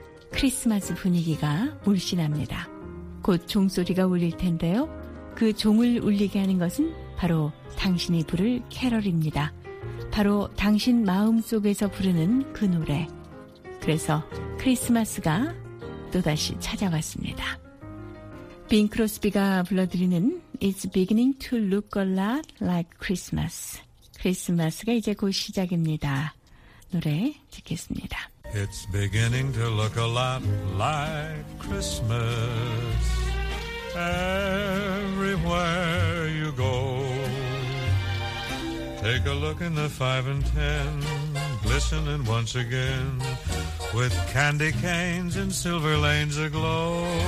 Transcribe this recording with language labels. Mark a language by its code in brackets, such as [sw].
[ko] 크리스마스 분위기가 물씬합니다. 곧 종소리가 울릴 텐데요. 그 종을 울리게 하는 것은 바로 당신이 부를 캐럴입니다. 바로 당신 마음 속에서 부르는 그 노래. 그래서 크리스마스가 또다시 찾아왔습니다. 빈 크로스비가 불러드리는 It's beginning to look a lot like Christmas. 크리스마스가 이제 곧 시작입니다. 노래 듣겠습니다. [en] It's beginning to look a lot like Christmas everywhere you go. Take a look in the 5 and 10, glistening once again with candy canes and silver lanes aglow.